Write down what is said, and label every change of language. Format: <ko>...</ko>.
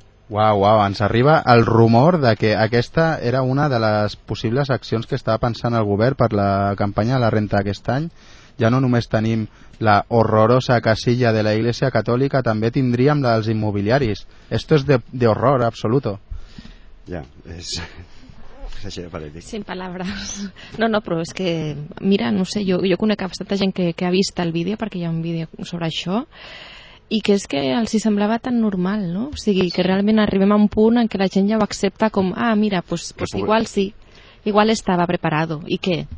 <ca>Uau, ens arriba el rumor de que aquesta era una de les possibles accions que estava pensant el govern per la campanya de la renta aquest any. Ja no només tenim la horrorosa</ca> <es>casilla de la Iglesia</es> <ca>Catòlica, també tindríem la dels immobiliaris.</ca> <es>Esto es de horror absoluto.</es> <ca>Ja, és...</ca> <es>Sin palabras.</es> <ca>No, però és que, mira, no sé, jo conec bastanta gent que ha vist el vídeo, perquè hi ha un vídeo sobre això, i que és que els semblava tan normal, no? O sigui, que realment arribem a un punt en què la gent ja ho accepta com, ah, mira, pues igual sí, igual estava preparado, i què?</ca>